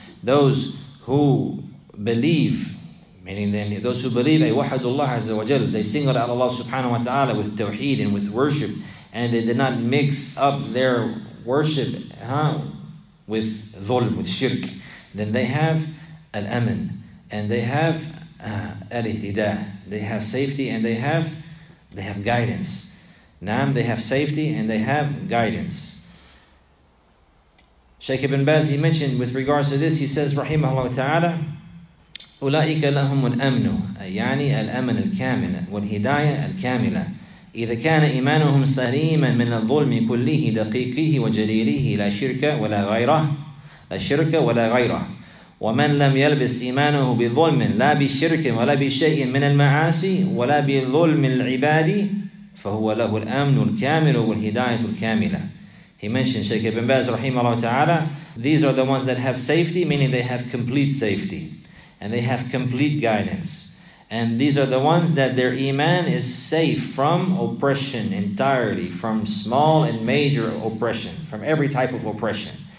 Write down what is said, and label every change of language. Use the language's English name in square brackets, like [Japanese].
[English] Those who believe, meaning then those who believe, [Arabic] وَحَدُ اللَّهِ عَزَّ وَجَلُ, [English] they single out Allah subhanahu wa ta'ala with tawheed and with worship, and they did not mix up their worship with dhulm, with shirk, then they have al-aman, and they have al-ihtida, they have safety, and they have guidance. Naam, they have safety, and they have guidance. Shaykh Ibn Baz, he mentioned with regards to this, he says, rahimahullah ta'ala, [Arabic] أُولَٰئِكَ لَهُمُ الْأَمْنُ يعني الْأَمْنُ الْكَامِلَ وَالْهِدَايَةُ الْكَامِلَةُ إذا كان إيمانهم سليما من الظلم كله دقيقه وجليله لا شرك ولا غيره لا شرك ولا غيره ومن لم يلبس إيمانه بظلم لا بشرك ولا بشيء من المعاصي ولا بظلم العباد فهو له الأمن الكامل والهداية الكاملة. [English] He mentioned Shaykh Ibn Baz [Arabic] رحمه الله تعالى, [English] these are the ones that have safety, meaning they have complete safety and they have complete guidance. And these are the ones that their iman is safe from oppression entirely, from small and major oppression, from every type of oppression.